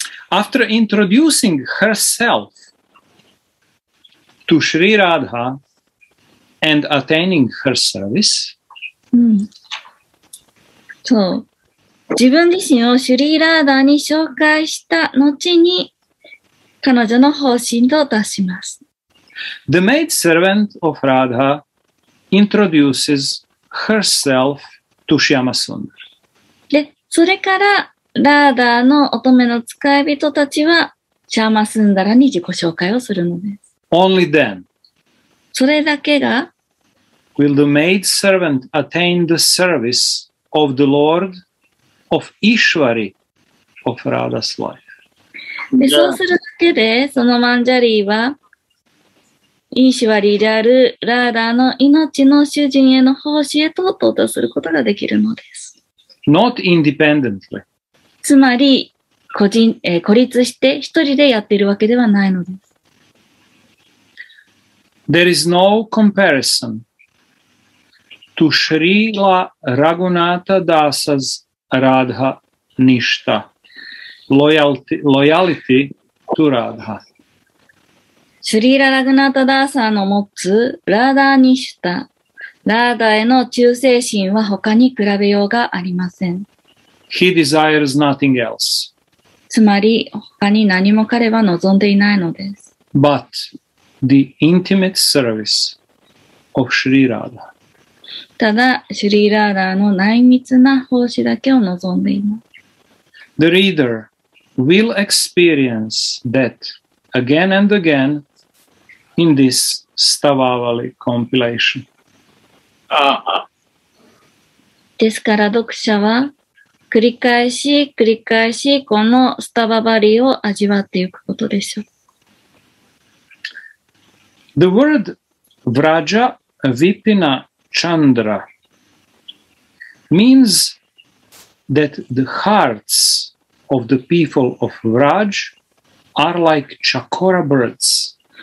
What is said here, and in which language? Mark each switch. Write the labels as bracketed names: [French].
[English] After introducing herself,To Sri Radha and attaining her service. [Japanese] So, 自分自身をシュリーラーダーに紹介した後に彼女の方針と出します。 [English] The maid servant of Radha introduces herself to Shyamasundara. [Japanese] で、それからラーダーの乙女の使い人たちはシャーマスンダラに自己紹介をするのです。 [English] Only then. [Japanese] それだけが [English] Will the maid servant attain the service of the Lord of Ishvari of Radha's life? [Japanese] で、そうするだけで、そのマンジャリーは、イシュワリであるラーダの命の主人への奉仕へと到達することができるのです。 [English] Not independently. [Japanese] つまり、孤立して一人でやっているわけではないのです。 [English] There is no comparison to Srila Raghunatha Dasa's Radha Nishta, loyalty to Radha. [Japanese] Srila Raghunatha Dasa の持つ Radha Nishta, Radha への忠誠心は他に比べようがありません。 [English] He desires nothing else. [Japanese] つまり他に何も彼は望んでいないのです。 [English] But,The intimate service of Sri Radha. [Japanese] ただ、シュリーラーダーの内密な奉仕だけを望んでいます。 [English] The reader will experience that again and again in this Stavavali compilation. [Japanese] ですから、読者は繰り返し繰り返しこのスタババリを味わっていくことでしょう。 [English] The word Vraja Vipina Chandra means that the hearts of the people of Vraj are like Chakora birds.